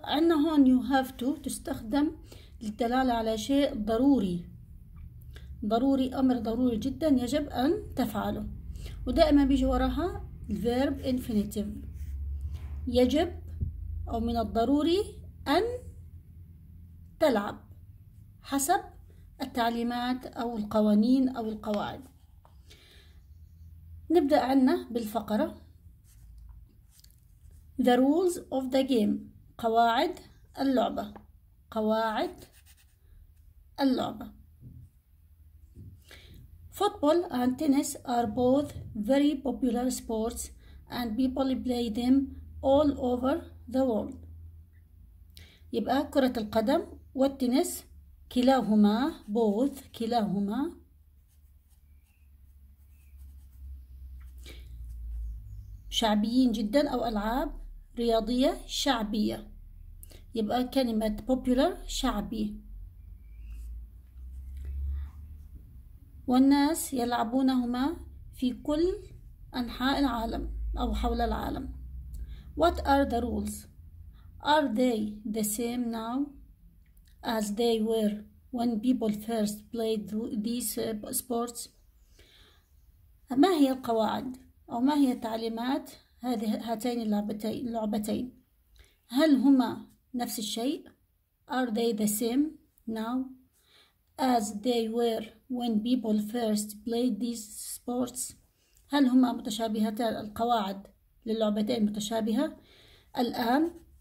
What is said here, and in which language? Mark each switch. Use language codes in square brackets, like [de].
[ar] عندنا هون you have to تستخدم للدلالة على شيء ضروري، ضروري، أمر ضروري جدا يجب أن تفعله، ودائما بيجي وراها ال verb infinitive، يجب أو من الضروري أن تلعب حسب التعليمات أو القوانين أو القواعد. نبدأ عنا بالفقرة the rules of the game، قواعد اللعبة، قواعد اللعبة. [en] Football and tennis are both very popular sports and people play them all over the world. [ar] يبقى كرة القدم والتنس كلاهما، both كلاهما، شعبيين جدا أو ألعاب رياضية شعبية. يبقى كلمة popular شعبي، والناس يلعبونهما في كل أنحاء العالم أو حول العالم. [en] What are the rules? Are they the same now as they were when people first played these sports? [ar] ما هي القواعد أو ما هي التعليمات هذه هاتين اللعبتين؟ هل هما نفس الشيء؟ Are they the same now as they were when people first played these sports؟ هل هما متشابهتان، القواعد للعبتين متشابهة الآن